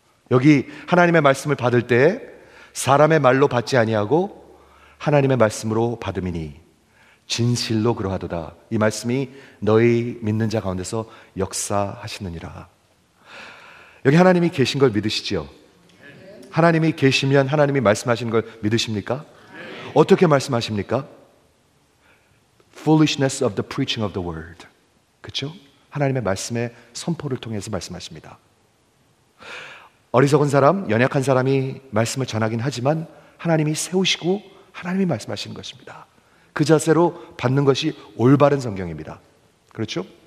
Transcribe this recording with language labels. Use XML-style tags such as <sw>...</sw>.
<ko>여기 하나님의 말씀을 받을 때 사람의 말로 받지 아니하고 하나님의 말씀으로 받음이니 진실로 그러하도다. 이 말씀이 너희 믿는 자 가운데서 역사하시느니라. 여기 하나님이 계신 걸 믿으시죠? 하나님이 계시면 하나님이 말씀하시는 걸 믿으십니까? 어떻게 말씀하십니까?</ko> <en>Foolishness of the preaching of the word.</en> <ko>그렇죠? 하나님의 말씀의 선포를 통해서 말씀하십니다. 어리석은 사람, 연약한 사람이 말씀을 전하긴 하지만 하나님이 세우시고 하나님이 말씀하시는 것입니다. 그 자세로 받는 것이 올바른 성경입니다. 그렇죠?</ko>